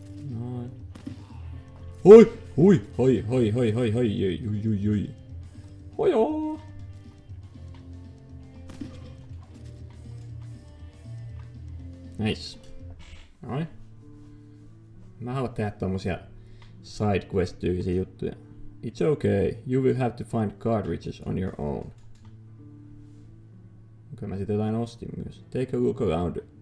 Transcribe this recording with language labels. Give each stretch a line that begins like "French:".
English: Noin. Hoi! Hoi! Hoi! Hoi! Hoi! Hoi! Hoi! Hoi! Hoi! Hoi! Hoi! Hoi! Hoi! Hoi! Nice. Noin.
Finnish: Mä haluan tehdä tommosia side quest -tyylisiä juttuja.
English: It's okay. You will have to find cartridges on your own.
Finnish: Kyllä mä sit jotain ostin myös.
English: Take a look around.